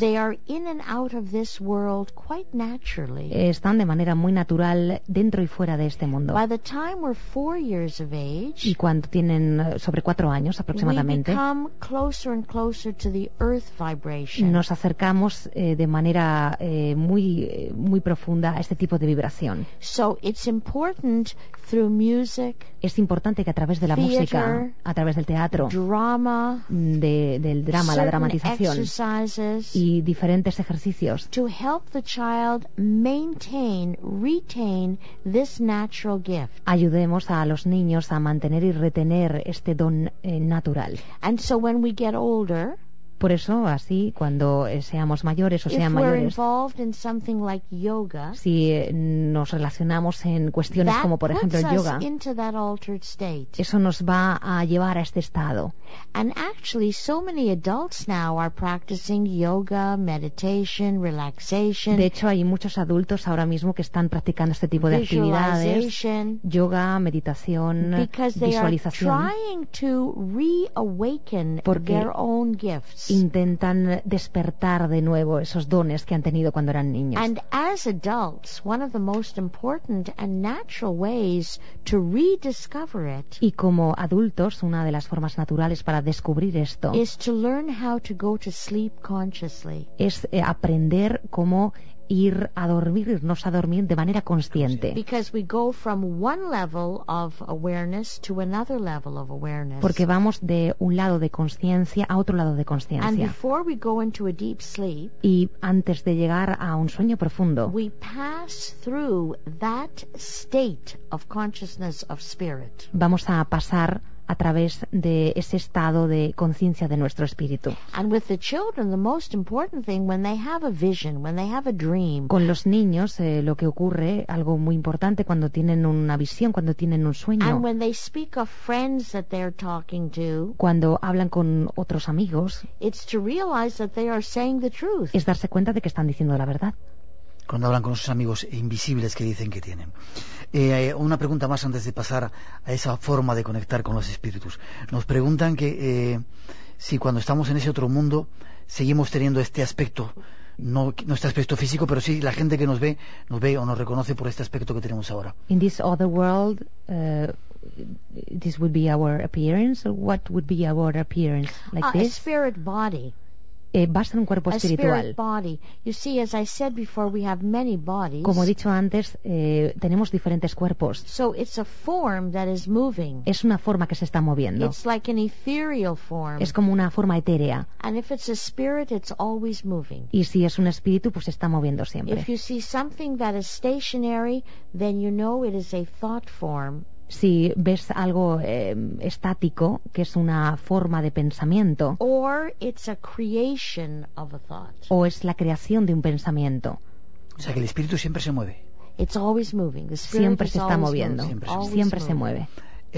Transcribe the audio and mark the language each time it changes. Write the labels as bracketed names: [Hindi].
[English] they are in and out of this world quite naturally. [Spanish] Están de manera muy natural dentro y fuera de este mundo. [English] By the time we're 4 years of age, [Spanish] y cuando tienen sobre 4 años aproximadamente, [English] we become closer and closer to the earth vibration. [Spanish] Nos acercamos de manera muy muy profunda a este tipo de vibración. [English] So it's important through music, [Spanish] es importante que a través de la [English] theater, [Spanish] música, a través del teatro, [English] drama, [Spanish] del drama, la dramatización [English] exercises [Spanish] y diferentes ejercicios [English] to help the child maintain, retain this natural gift. [Spanish] Ayudemos a los niños a mantener y retener este don natural. [English] And so when we get older, [Spanish] por eso, así, cuando seamos mayores o sean mayores, [English] involved in something like yoga, [Spanish] si nos relacionamos en cuestiones como, por ejemplo, el yoga, [English] into that altered state. [Spanish] Eso nos va a llevar a este estado. [English] And actually, so many adults now are practicing yoga, meditation, relaxation. [Spanish] De hecho, hay muchos adultos ahora mismo que están practicando este tipo de actividades. Yoga, meditación, visualización. [English] Because they are trying to reawaken their own gift. [Spanish] Intentan despertar de nuevo esos dones que han tenido cuando eran niños. [English] And as adults, one of the most important and natural ways to rediscover it, [Spanish] y como adultos, una de las formas naturales para descubrir esto, [English] is to learn how to go to sleep consciously. [Spanish] Es aprender cómo ir a dormir, irnos a dormir de manera consciente. [English] Because we go from one level of awareness to another level of awareness. [Spanish] Porque vamos de un lado de consciencia a otro lado de consciencia. [English] And before we go into a deep sleep, [Spanish] y antes de llegar a un sueño profundo, [English] we pass through that state of consciousness of spirit. [Spanish] Vamos a pasar a través de ese estado de conciencia de nuestro espíritu. [English] And with the children, the most important thing, when they have a vision, when they have a dream. [Spanish] Con los niños, lo que ocurre, algo muy importante, cuando tienen una visión, cuando tienen un sueño. [English] And when they speak of friends that they're talking to. [Spanish] Cuando hablan con otros amigos. [English] It's to realize that they are saying the truth. [Spanish] Es darse cuenta de que están diciendo la verdad. Cuando hablan con sus amigos invisibles que dicen que tienen. Una pregunta más antes de pasar a esa forma de conectar con los espíritus. Nos preguntan que si cuando estamos en ese otro mundo seguimos teniendo este aspecto, no este aspecto físico, pero sí la gente que nos ve o nos reconoce por este aspecto que tenemos ahora. [English] In this other world, this would be our appearance. Or what would be our appearance like this? A spirit body. [Spanish] Va a ser un cuerpo espiritual. [English] You see, as I said before, we have many bodies. [Spanish] Como he dicho antes, tenemos diferentes cuerpos. [English] So it's a form that is moving. [Spanish] Es una forma que se está moviendo. [English] It's like an ethereal form. [Spanish] Es como una forma etérea. [English] And if it's a spirit, it's always moving. [Spanish] Y si es un espíritu, pues se está moviendo siempre. [English] If you see something that is stationary, then you know it is a thought form. [Spanish] Si ves algo estático, que es una forma de pensamiento, [English] or it's a creation of a thought, [Spanish] o es la creación de un pensamiento. O sea que el espíritu siempre se mueve. [English] It's always moving. The spirit [Spanish] siempre [English] is [Spanish] se está moviendo. [English] Moving. [Spanish] Siempre se mueve. Y